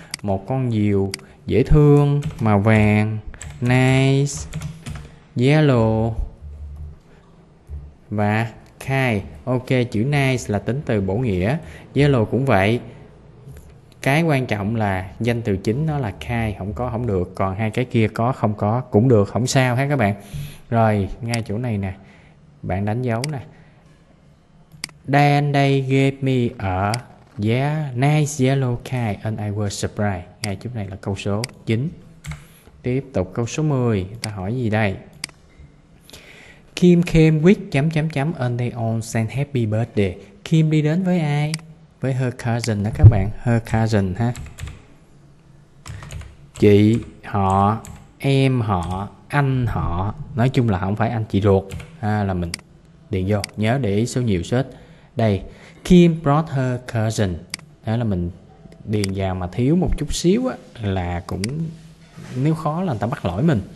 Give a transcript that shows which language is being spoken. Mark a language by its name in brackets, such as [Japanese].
[Vietnamese] Một con diều dễ thương màu vàng, nice yellow và kite. Ok, chữ nice là tính từ bổ nghĩa, yellow cũng vậy. Cái quan trọng là danh từ chính nó là kite, không có không được, còn hai cái kia có không có cũng được, không sao ha các bạn. Rồi, ngay chỗ này nè, bạn đánh dấu nè. [English] Then they gave me a nice yellow kite and I was surprised. [Vietnamese] Ngay chỗ này là câu số 9. Tiếp tục câu số 10, ta hỏi gì đây? [English] Kim came with and they all sang happy birthday. [Vietnamese] Kim đi đến với ai? Với her cousin đó các bạn, her cousin ha. Chị, họ, em họ, anh họ, nói chung là không phải anh chị ruột ha, là mình điền vô, nhớ để ý số nhiều số ít. Đây, [English] Kim brought her cousin, [Vietnamese] đó là mình điền vào mà thiếu một chút xíu á là cũng nếu khó là người ta bắt lỗi mình.